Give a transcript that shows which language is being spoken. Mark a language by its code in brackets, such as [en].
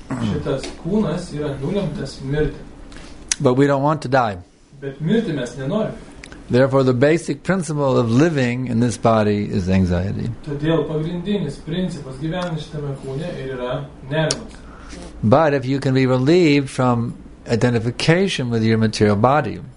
[lt] Šitas kūnas yra nulemtas mirti. [en] But we don't want to die. [lt] Bet mirti mes nenorim. [en] Therefore, the basic principle of living in this body is anxiety. [lt] Todėl pagrindinis principas gyventi šitame kūne ir yra nerimas. [en] But if you can be relieved from identification with your material body,